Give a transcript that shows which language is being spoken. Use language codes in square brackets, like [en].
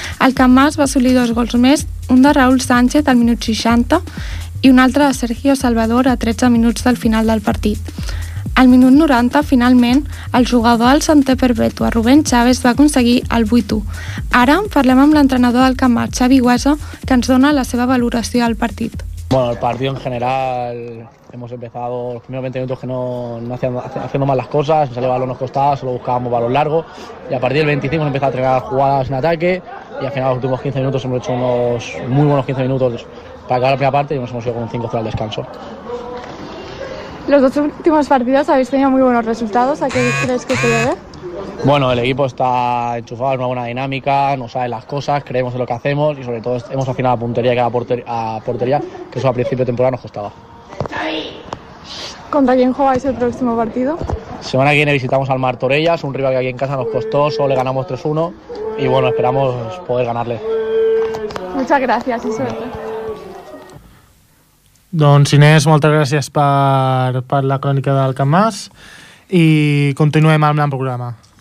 [ca] El Camp Mas va assolir 2 gols més, un de Raúl Sánchez al minut 60 i un altre de Sergio Salvador a 13 minuts del final del partit. Al minut 90, finalment, el jugador del Santa Perpètua, Rubén Chávez, va aconseguir el 8-1. Ara parlem amb l'entrenador del Camp Mas, Xavi Guasa, que ens dona la seva valoració al partit. [es] Bueno, el partido en general, hemos empezado los primeros 20 minutos que no hacían haciendo mal las cosas, nos salía balón, nos costaba, solo buscábamos balón largo, y a partir del 25 empezamos a entrenar jugadas en ataque, y al final los últimos 15 minutos hemos hecho unos muy buenos 15 minutos para acabar la primera parte y nos hemos ido con un 5-0 al descanso. Los 2 últimos partidos habéis tenido muy buenos resultados, ¿a qué crees que se debe? Bueno, el equipo está enchufado en una buena dinámica, nos sabe las cosas, creemos en lo que hacemos y sobre todo hemos afinado la puntería que era portería, que eso a principio de temporada nos costaba. ¿Contra quién jugáis el próximo partido? Semana que viene visitamos al Martorellas, un rival que aquí en casa nos costó, solo le ganamos 3-1 y bueno, esperamos poder ganarle. Muchas gracias y suerte. [ca] Doncs Inés, moltes gràcies per la crònica del Camp Mas i continuem amb el programa.